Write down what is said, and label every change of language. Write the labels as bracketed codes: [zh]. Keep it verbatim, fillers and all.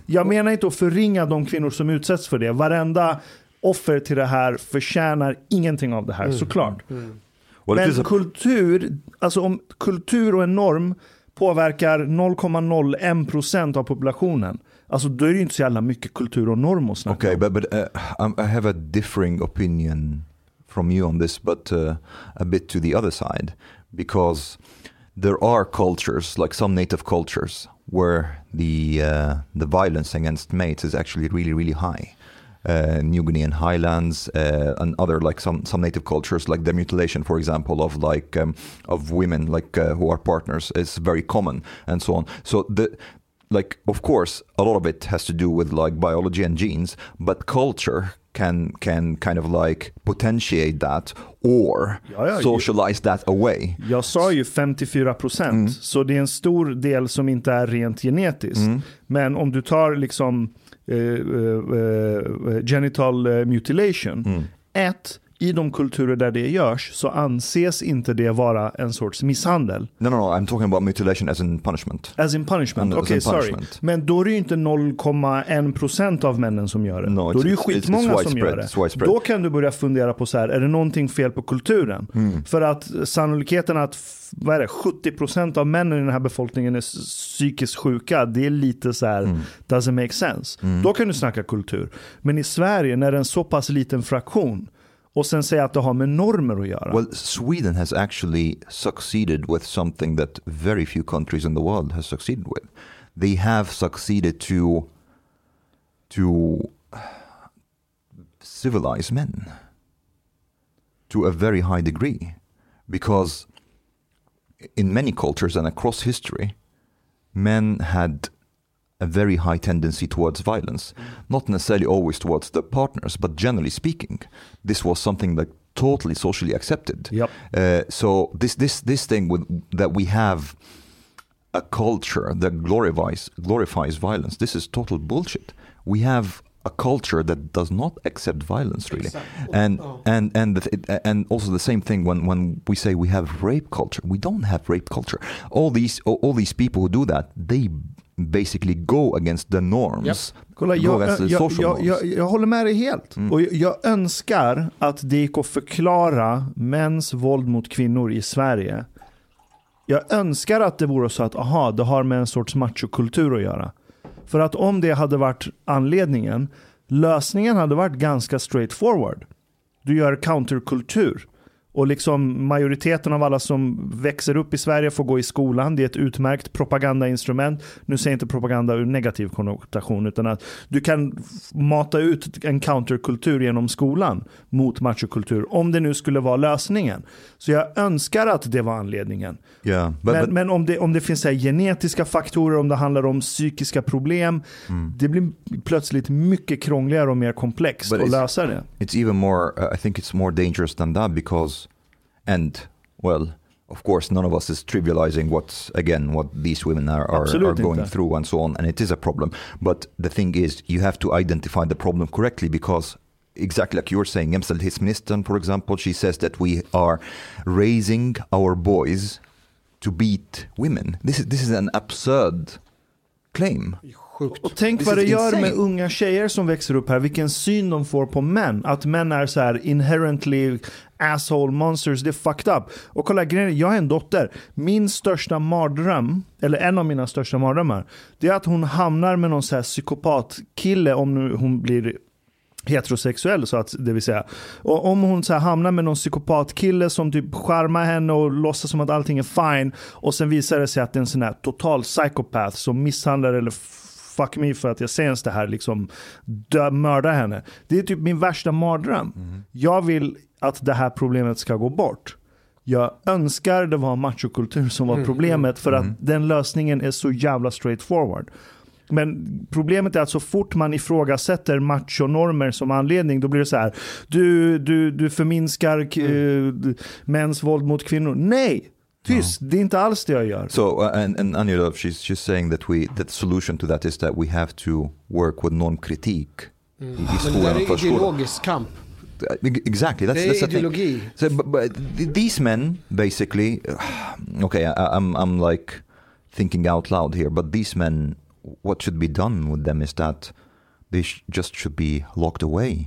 [sv] Jag menar inte att förringa de kvinnor som utsätts för det. Varenda offer till det här förtjänar ingenting av det här, mm. såklart. Mm. Well, men a... kultur, alltså om kultur och en norm påverkar noll komma noll ett procent av populationen, alltså då är det inte så jävla mycket kultur och norm att snacka om. [en] Okay, but, but uh, I have a differing opinion from you on this, but uh, a bit to the other side, because there are cultures, like some native cultures, where the uh, the violence against mates is actually really, really high. Uh, New Guinean highlands uh, and other like some some native cultures, like the mutilation, for example, of like um, of women like uh, who are partners is very common and so on. So the like of course a lot of it has to do with like biology and genes, but culture can can kind of like potentiate that or [sv] ja, ja, [en] socialize [sv] jag, [en] that away. [sv] Jag sa ju femtiofyra procent, mm. så det är en stor del som inte är rent genetiskt. Mm. Men om du tar liksom Uh, uh, genital uh, mutilation. Mm. Ett, i de kulturer där det görs så anses inte det vara en sorts misshandel. [en] No, no, no, I'm talking about mutilation as in punishment. As in punishment, okej, okay, sorry. Punishment. [sv] Men då är det ju inte noll komma ett procent av männen som gör det. [en] No, [sv] då är det ju skitmånga [en] it's, it's [sv] som gör det. Då kan du börja fundera på så här, är det någonting fel på kulturen? Mm. För att sannolikheten att vad är det, sjuttio procent av männen i den här befolkningen är psykiskt sjuka, det är lite så här, mm. [en] doesn't make sense. [sv] Mm. Då kan du snacka kultur. Men i Sverige, när det är en så pass liten fraktion, och sen säga att det har med normer att göra. [en] Well, Sweden has actually succeeded with something that very few countries in the world has succeeded with. They have succeeded to to civilize men to a very high degree, because in many cultures and across history, men had a very high tendency towards violence, not necessarily always towards the partners, but generally speaking, this was something that totally socially accepted. Yep. Uh, so this this this thing with that we have a culture that glorifies glorifies violence. This is total bullshit. We have a culture that does not accept violence, really, exactly. and oh. and and the, and also the same thing when, when we say we have rape culture. We don't have rape culture. All these all, all these people who do that, they basically go against the norms. Yep. [sv] Kolla, jag, jag, jag, jag, jag, jag håller med dig helt. Mm. Och jag, jag önskar att det gick att förklara mäns våld mot kvinnor i Sverige Jag önskar att det vore så att aha, det har med en sorts machokultur att göra. För att om det hade varit anledningen, lösningen hade varit ganska straightforward. Du gör counterkultur. Och liksom majoriteten av alla som växer upp i Sverige får gå i skolan. Det är ett utmärkt propagandainstrument. Nu säger jag inte propaganda ur negativ konnotation, utan att du kan mata ut en counterkultur genom skolan mot machokultur. Om det nu skulle vara lösningen. Så jag önskar att det var anledningen. [en] Yeah, but, [sv] men [en] but... [sv] men om, det, om det finns så här genetiska faktorer, om det handlar om psykiska problem. Mm. Det blir plötsligt mycket krångligare och mer komplext [en] but [sv] att lösa det. [en] It's even more, uh, I think it's more dangerous than that because... And, well, of course, none of us is trivializing what's, again, what these women are, are, are going [sv] inte. [en] through and so on. And it is a problem. But the thing is, you have to identify the problem correctly because, exactly like you're saying, Jämställdhetsministern, for example, she says that we are raising our boys to beat women. This is, this is an absurd claim. [sv] Sjukt. Och tänk [en] This [sv] vad det gör [en] insane. [sv] med unga tjejer som växer upp här. Vilken syn de får på män. Att män är så här [en] inherently asshole monsters. [sv] Det är [en] fucked up. [sv] Och kolla grejen, jag är en dotter. Min största mardröm, eller en av mina största mardrömmar, det är att hon hamnar med någon så här psykopatkille om nu hon blir heterosexuell, så att det vill säga. Och om hon så här hamnar med någon psykopatkille som typ charmar henne och låtsas som att allting är fine och sen visar det sig att det är en sån här total psykopat som misshandlar eller [en] fuck me [sv] för att jag sens det här liksom dö, mörda henne. Det är typ min värsta mardröm. Mm. Jag vill att det här problemet ska gå bort. Jag önskar det var machokultur som var problemet för att mm. den lösningen är så jävla straightforward. Men problemet är att så fort man ifrågasätter machonormer som anledning, då blir det så här, du, du, du förminskar k- mm. mäns våld mot kvinnor. Nej! Tyst, det är inte alls det jag gör. [en] So uh, and and Anja Lööf, she's she's saying that we that the solution to that is that we have to work with normkritik [sv] mm. i, i skolan. Det är ideologisk kamp. [en] Exactly, that's that's [sv] ideologi. [en] So, but, but these men basically, okay, I, I'm I'm like thinking out loud here, but these men, what should be done with them is that they sh- just should be locked away.